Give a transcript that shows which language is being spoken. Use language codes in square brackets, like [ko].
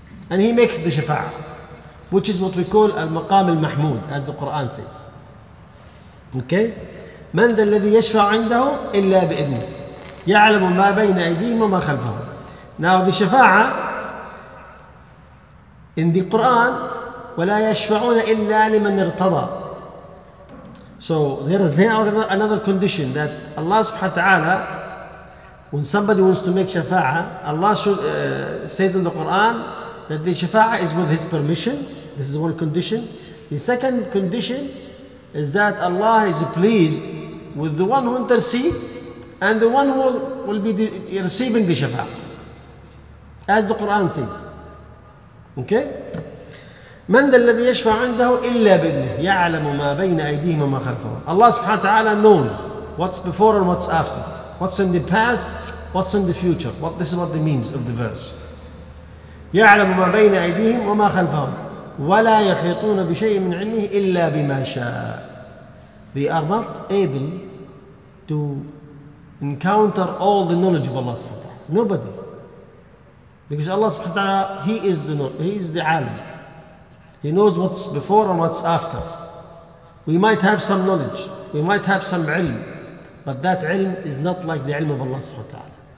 [en] And he makes the shafa'a, which is what we call al-maqam al-mahmood, as the Quran says. Okay? [ar] من ذا الذي يشفع عنده إلا بإذنه يعلم ما بين أيديهم وما خلفهم. [en] Now the shafa'a in the Quran, [ar] وَلَا يَشْفَعُونَ إِلَّا لِمَنْ اِرْتَضَى. [en] So there is then another condition that Allah subhanahu wa ta'ala, when somebody wants to make shafa'a, Allah should, says in the Quran that the shafa'a is with his permission. This is one condition. The second condition is that Allah is pleased with the one who intercedes and the one who will be receiving the shafa'a, as the Quran says. Okay? [ar] من الذي يشفع عنده إلا بإذنه يعلم ما بين أيديهم وما خلفهم. [en] Allah سبحانه وتعالى knows what's before and what's after, what's in the past, what's in the future. What this is what the means of the verse. [ar] يعلم ما بين أيديهم وما خلفهم ولا يحيطون بشيء من علمه إلا بما شاء. [en] They are not able to encounter all the knowledge of Allah سبحانه وتعالى. Nobody, because Allah سبحانه وتعالى he is the عالم. He knows what's before and what's after. We might have some knowledge, we might have some ilm, but that ilm is not like the ilm of Allah subhanahu wa ta'ala.